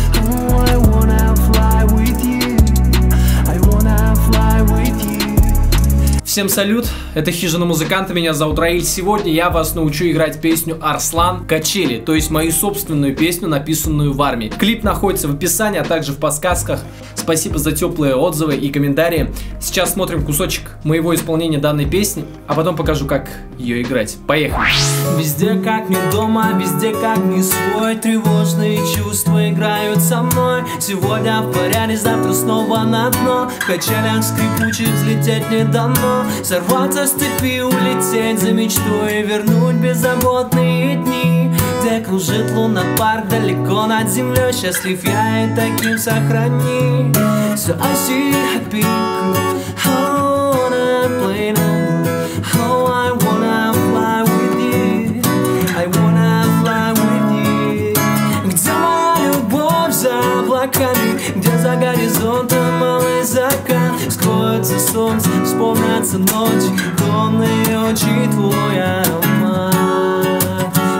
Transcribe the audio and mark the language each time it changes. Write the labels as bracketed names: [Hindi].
[English] Oh, I wanna fly with you, I wanna fly with you. [Russian] Всем салют, это Хижина Музыканта, меня зовут Раиль. Сегодня я вас научу играть песню «Арслан Качели», то есть мою собственную песню, написанную в армии. Клип находится в описании, а также в подсказках. Спасибо за теплые отзывы и комментарии. Сейчас смотрим кусочек моего исполнения данной песни, а потом покажу, как ее играть. Поехали! Везде как не дома, везде как не свой. Тревожные чувства играют со мной. Сегодня в порядке, завтра снова на дно. В качелях скрипучих взлететь не дано. Сорваться с цепи, улететь за мечтой. Вернуть беззаботные дни, где кружит луна, парк далеко над землей. Счастлив я и таким сохрани. [English] So I see happy crew on a plane. How I wanna fly with you, I wanna fly with you. [Russian] Где моя любовь за облаками, где за горизонтом малый закат. Скроется солнце, вспомнятся ночи, темные очи, твой аромат.